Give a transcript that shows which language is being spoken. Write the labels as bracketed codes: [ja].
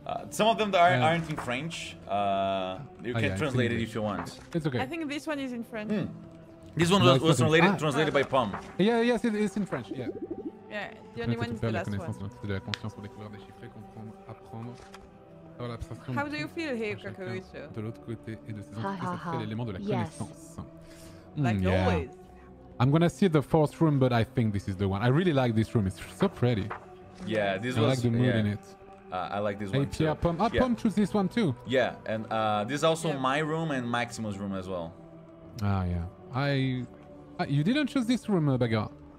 [en] Some of them aren't in French. You can translate it if you want. It's okay. I think this one is in French. Mm. This one was translated by Pomme. Yes, it's in French, yeah. Yeah, the only one is the last one. How do you feel here, Cucurucho? [fr] De l'autre côté et de ses entités, c'est l'élément de la connaissance. [en] Like always. I'm gonna see the fourth room, but I think this is the one. I really like this room, it's so pretty. Yeah, this I was. I like the mood in it. I like this one. Yeah, Pomme chose this one too. Yeah, and this is also my room and Maximus' room as well. Ah, yeah. You didn't choose this room, Baghera.